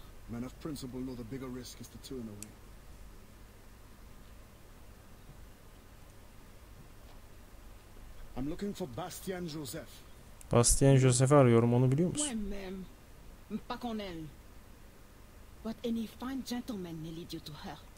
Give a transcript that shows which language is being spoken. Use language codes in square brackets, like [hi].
[en] Men of principle know the bigger risk is to turn away. I'm looking for Bastien Joseph. [tr] Bastien Joseph arıyorum, onu biliyor musun? Pas qu'on elle. [en] But any fine gentleman may lead you to her.